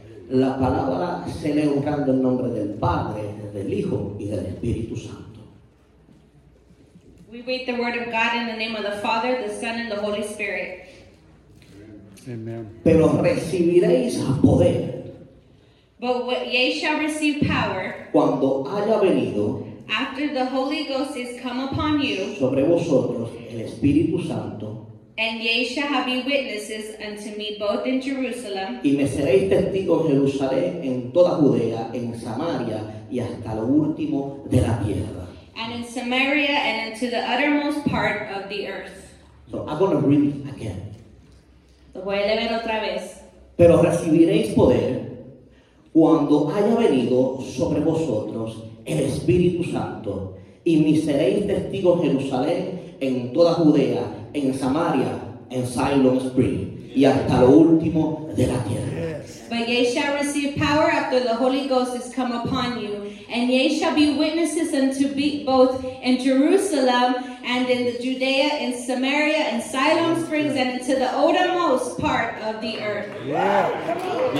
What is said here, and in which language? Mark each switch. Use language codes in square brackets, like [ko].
[es] La palabra se lee honrando el nombre del Padre, del Hijo y del Espíritu Santo. [en] We read the word of God in the name of the Father, the Son, and the Holy Spirit. Amen. [es] Pero recibiréis poder. [en] But ye shall receive power. [es] Cuando haya venido. [en] After the Holy Ghost is come upon you. [es] Sobre vosotros el Espíritu Santo. [en] And ye shall have you witnesses unto me both in Jerusalem. [es] Y me seréis testigo en Jerusalén, en toda Judea, en Samaria y hasta lo último de la tierra. [en] and in Samaria and into the uttermost part of the earth. So I'm going to read it again. [es] Lo voy a leer otra vez. Pero recibiréis poder cuando haya venido sobre vosotros el Espíritu Santo, y me seréis testigos en Jerusalén, en toda Judea, en Samaria, en Siloam Spring, y hasta lo último de la tierra. [en] But ye shall receive power after the Holy Ghost is come upon you, and ye shall be witnesses unto me both in Jerusalem and in the Judea, in Samaria, and Siloam Springs, and into the uttermost part of the earth. Yeah.